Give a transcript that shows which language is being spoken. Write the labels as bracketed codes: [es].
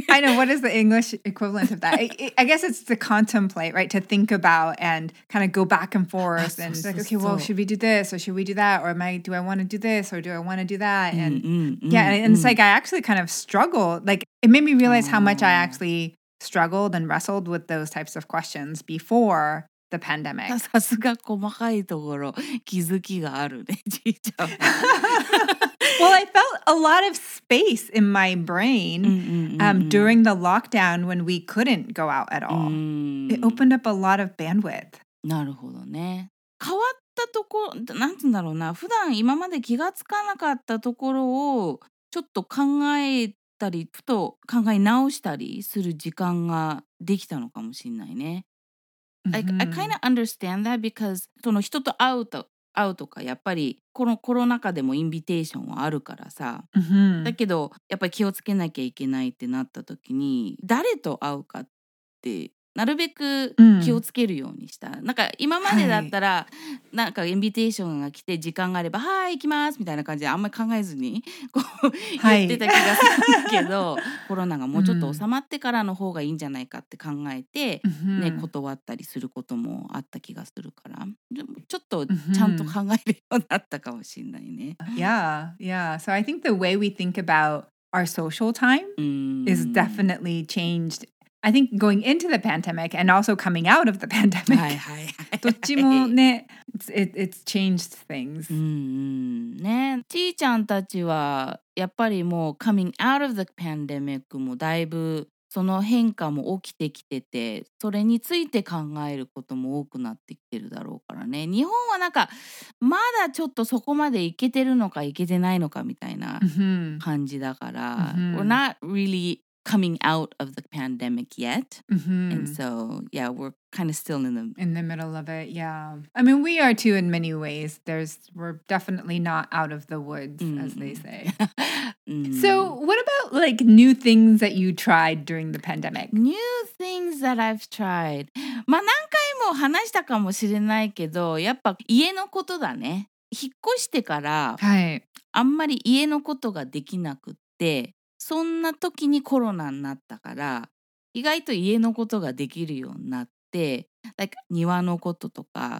[en] I know, what is the English equivalent of that? I guess it's to contemplate, right? To think about and kind of go back and forth. And like, okay, well, should we do this or should we do that? Or do I want to do this or do I want to do that? And yeah, and it's like I actually kind of struggled. Like it made me realize how much I actually struggled and wrestled with those types of questions before. The pandemic. [ja] さすが細かいところ気づきがあるね、じいちゃん。 [en] Well, I felt a lot of space in my brain during the lockdown when we couldn't go out at all. It opened up a lot of bandwidth. [ja] なるほどね。変わったところ、なんていうんだろうな、普段今まで気がつかなかったところをちょっと考えたり、ふと考え直したりする時間ができたのかもしれないね。 [en] Like, I kind of understand that because [ja] その人と会うとかやっぱりこのコロナ禍でもインビテーションはあるからさ、だけどやっぱり気をつけなきゃいけないってなった時に誰と会うかってなるべく気をつけるようにした、なんか今までだったら、なんかインビテーションが来て時間があればはい行きますみたいな感じであんまり考えずにこう言ってた気がするけど、コロナがもうちょっと収まってからの方がいいんじゃないかって考えて、ね、断ったりすることもあった気がするから、でもちょっとちゃんと考えるようになったかもしれないね。 [en] Yeah, yeah. So I think the way we think about our social time is definitely changedI think going into the pandemic and also coming out of the pandemic. [ja] はいはい。どっちもね、 [en] it's changed things. [ja] ね、ちーちゃんたちはやっぱりもう [en] coming out of the pandemic [ja] もだいぶその変化も起きてきてて、それについて考えることも多くなってきてるだろうからね。日本はなんかまだちょっとそこまでいけてるのかいけてないのかみたいな感じだから、 [en] we're not really... coming out of the pandemic yet. And so, yeah, we're kind of still in the middle of it, yeah. I mean, we are too in many ways. We're definitely not out of the woods, as they say. So what about like new things that you tried during the pandemic? New things that I've tried. [ja] まあ何回も話したかもしれないけど、やっぱ家のことだね。引っ越してから、はい、あんまり家のことができなくって、そんな時にコロナになったから意外と家のことができるようになって、like、庭のこととか、